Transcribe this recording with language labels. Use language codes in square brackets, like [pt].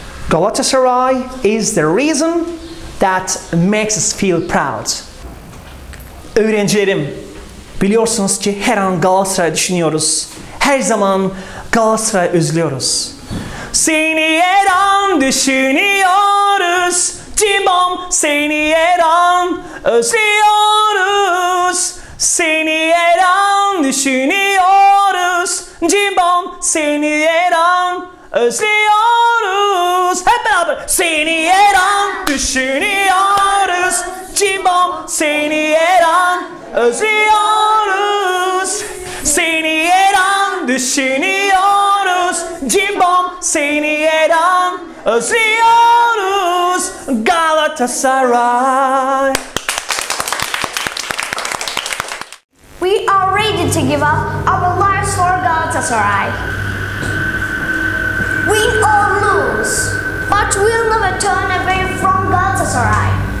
[en] Galatasaray is the reason that makes us feel proud. [tr] Öğrencilerim, biliyorsunuz ki her an Galatasaray düşünüyoruz. Her zaman Galatasaray özlüyoruz. Seni her an düşünüyoruz. Cimbom, seni her an özlüyoruz. Seni her an düşünüyoruz. Cimbom, seni her an özlüyoruz. Hep beraber. Seni her an düşünüyoruz. Cimbom, seni her an özlüyoruz. Seni her an düşünüyoruz. Cimbom seni her an özlüyoruz Galatasaray. [en] We are ready to give up our lives for Galatasaray. Win or lose, but we'll never turn away from Galatasaray.